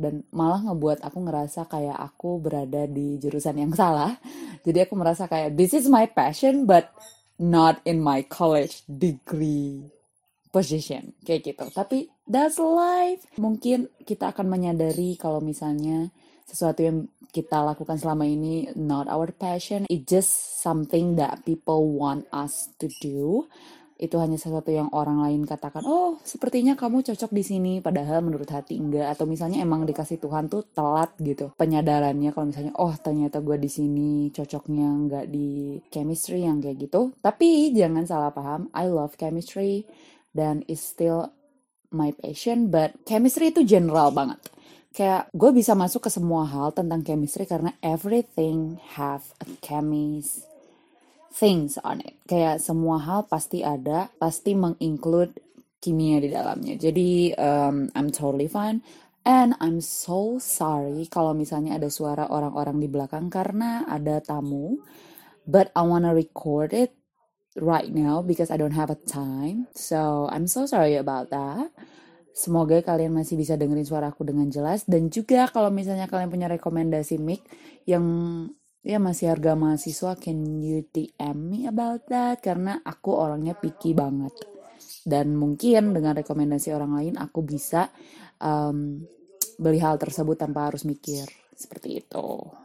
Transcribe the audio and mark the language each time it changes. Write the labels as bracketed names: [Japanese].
[Indonesian] Dan malah ngebuat aku ngerasa kayak aku berada di jurusan yang salah. Jadi aku merasa kayak, [English] this is my passion, but not in my college degree position. Kayak gitu. Tapi, that's life. [Indonesian] Mungkin kita akan menyadari kalau misalnya sesuatu yang kita lakukan selama ini [English] not our passion. It's just something that people want us to do. [Indonesian] Itu hanya sesuatu yang orang lain katakan, oh, sepertinya kamu cocok di sini, padahal menurut hati enggak. Atau misalnya emang dikasih Tuhan tuh telat gitu penyadarannya, kalau misalnya, oh, ternyata gue di sini cocoknya enggak di chemistry yang kayak gitu. Tapi jangan salah paham, [English] I love chemistry, dan it's still my passion, but chemistry [Indonesian] itu general banget. Kayak gue bisa masuk ke semua hal tentang chemistry karena [English] everything have a chemistry. Things on it. [Indonesian] Kayak semua hal pasti ada, pasti menginclude kimia di dalamnya. Jadi, [English] I'm totally fine. And I'm so sorry [Indonesian] kalau misalnya ada suara orang-orang di belakang karena ada tamu. [English] But I wanna record it right now because I don't have a time. So, I'm so sorry about that. [Indonesian] Semoga kalian masih bisa dengerin suaraku dengan jelas. Dan juga kalau misalnya kalian punya rekomendasi mic yang ya masih harga mahasiswa, [English] can you DM me about that? [Indonesian] Karena aku orangnya picky banget. Dan mungkin dengan rekomendasi orang lain, aku bisa beli hal tersebut tanpa harus mikir. Seperti itu.